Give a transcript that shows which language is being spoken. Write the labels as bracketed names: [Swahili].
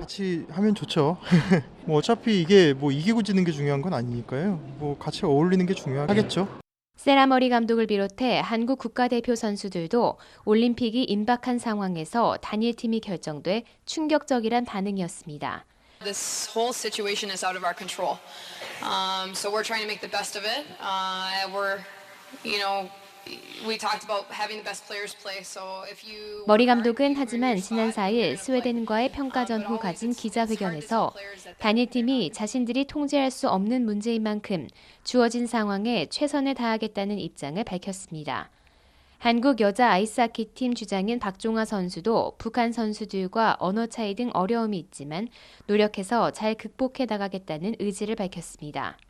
[Korean] 같이 하면 좋죠. 뭐 어차피 이게 뭐 이기고 지는 게 중요한 건 아니니까요. 뭐 같이 어울리는 게 중요하겠죠. 세라머리 감독을 비롯해 한국 국가대표 선수들도 올림픽이 임박한 상황에서 단일팀이 결정돼 충격적이란 반응이었습니다. [English] This whole situation is out of our control. So we're trying to make the best of it. We talked about having the best players play. So if you [Korean] 머리 감독은 하지만 지난 4일 스웨덴과의 평가전 후 가진 기자회견에서 단일팀이 자신들이 통제할 수 없는 문제인 만큼 주어진 상황에 최선을 다하겠다는 입장을 밝혔습니다. 한국 여자 아이스하키팀 주장인 박종아 선수도 북한 선수들과 언어 차이 등 어려움이 있지만 노력해서 잘 극복해 나가겠다는 의지를 밝혔습니다.